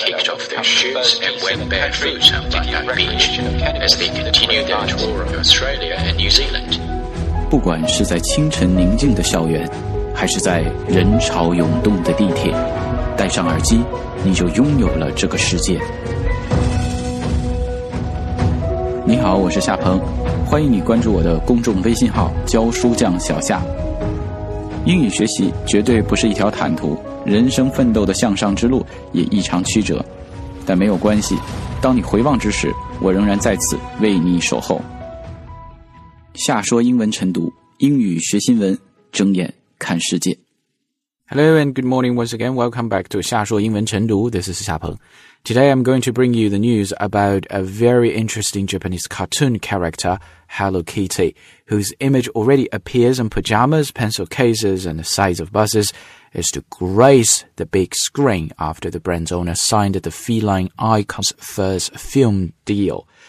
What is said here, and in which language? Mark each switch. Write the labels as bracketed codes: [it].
[en] kicked off their shoes and went barefoot on Bondi Beach as they continued their tour of Australia and New Zealand. [zh] 不管是在清晨宁静的校园，还是在人潮涌动的地铁，戴上耳机，你就拥有了这个世界。你好，我是夏鹏，欢迎你关注我的公众微信号教书匠小夏。英语学习绝对不是一条坦途，人生奋斗的向上之路也异常曲折，但没有关系，当你回望之时，我仍然在此为你守候。夏说英文晨读，英语学新闻，睁眼看世界。 [en] Hello and good morning once again. Welcome back to 夏说英文晨读。This is 夏鹏。 Today I'm going to bring you the news about a very interesting Japanese cartoon character, Hello Kitty, whose image already appears in pajamas, pencil cases, and the sides of buses, is to grace the big screen after the brand's owner signed the feline icon's first film deal.